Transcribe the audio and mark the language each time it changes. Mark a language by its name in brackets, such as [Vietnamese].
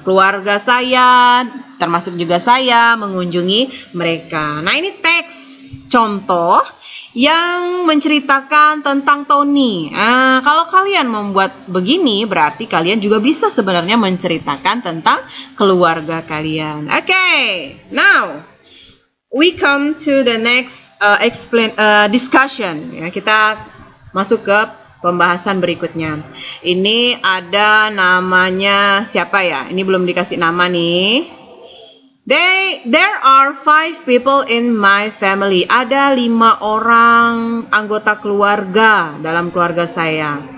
[Indonesian] Keluarga saya, termasuk juga saya, mengunjungi mereka. Nah, ini teks contoh yang menceritakan tentang Tony. Kalau kalian membuat begini, berarti kalian juga bisa sebenarnya menceritakan tentang keluarga kalian. [English] Okay, now we come to the next discussion. [Indonesian] Ya, kita masuk ke pembahasan berikutnya. Ini ada namanya siapa ya? Ini belum dikasih nama nih. [English] There are 5 people in my family. [Indonesian] Ada 5 orang anggota keluarga dalam keluarga saya.